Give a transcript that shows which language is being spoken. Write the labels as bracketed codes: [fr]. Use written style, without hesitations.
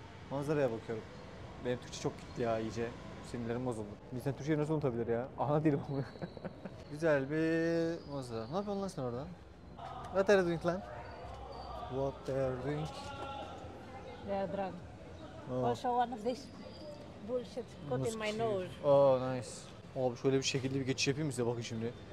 [tr] Manzaraya bakıyorum. Benim Türkçe çok gitti ya iyice. Sinirlerim bozuldu. Bizden Türkçe'yi nasıl unutabilir ya? Ana dilim ama. Güzel bir manzara. Ne yapıyorsun lan sen orada? [en] What are you drinking lan? What they are drinking? They are drunk. Oh. Also one of this bullshit got in my nose. Oh nice. [tr] Abi şöyle bir şekilde bir geçiş yapayım size bakın şimdi.